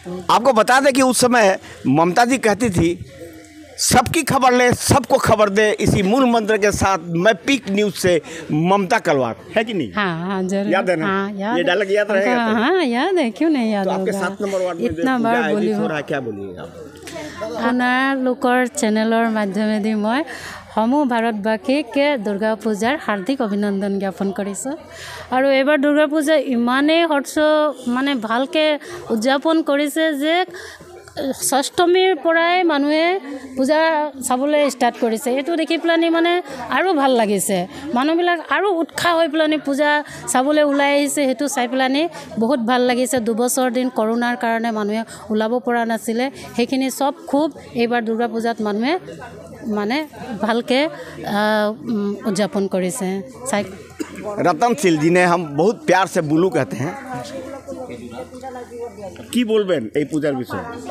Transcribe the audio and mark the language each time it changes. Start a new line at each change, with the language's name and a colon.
Hindi: आपको बता दें कि उस समय ममता जी कहती थी, सबकी खबर ले, सबको खबर दे, इसी मूल मंत्र के साथ मैं पीक न्यूज से ममता कलवार, है कि नहीं? हाँ हाँ, जरूर याद है ना? हाँ, याद, ये डायलॉग याद रहेगा? हाँ याद है, क्यों नहीं याद। तो आपके 7 नंबर वार्ड में इतना बार बोली हो रहा है, क्या बोली है आप?
Assamese: আনা লোকৰ চেনেলৰ মাধ্যমেদি মই সমূহ ভাৰতবাসীক দুৰ্গা পূজাৰ হাৰ্দিক অভিনন্দন জ্ঞাপন কৰিছোঁ। আৰু এইবাৰ দুৰ্গা পূজা ইমানেই হৰ্ষ মানে ভালকৈ উদযাপন কৰিছে যে ষষ্ঠমীৰ পৰাই মানুহে পূজা চাবলৈ ষ্টাৰ্ট কৰিছে। এইটো দেখি পেলাহেনি মানে আৰু ভাল লাগিছে, মানুহবিলাক আৰু উৎসাহ হৈ পেলাহেনি পূজা চাবলৈ ওলাই আহিছে। সেইটো চাই পেলাহেনি বহুত ভাল লাগিছে। দুবছৰ দিন কৰোণাৰ কাৰণে মানুহে ওলাব পৰা নাছিলে, সেইখিনি চব খুব এইবাৰ দুৰ্গা পূজাত মানুহে মানে ভালকৈ উদযাপন কৰিছে। চাই
Hindi: ৰতনশীল জিনে হাম বহুত প্যাৰ সে বুলু কহতে হ্যাঁ
Bangla: কি বলবেন এই পূজার বিষয়ে?